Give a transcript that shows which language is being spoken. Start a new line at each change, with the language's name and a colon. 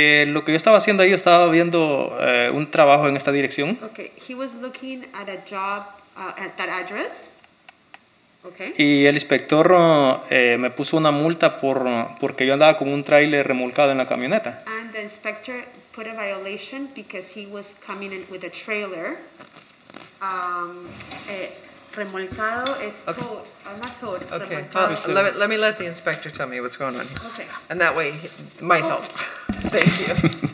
Spanish: Lo que yo estaba haciendo ahí, estaba viendo un trabajo en esta dirección.
English: Okay, he was looking at a job at that address. Okay.
Spanish: Y el inspector me puso una multa porque yo andaba con un tráiler remolcado en la camioneta.
English: And the inspector put a violation because he was coming in with a trailer.
Spanish: Remolcado es
English: tow. Okay. I'm not towed. Okay. Let me let the inspector tell me what's going on here. Okay. And that way it might help. Thank you.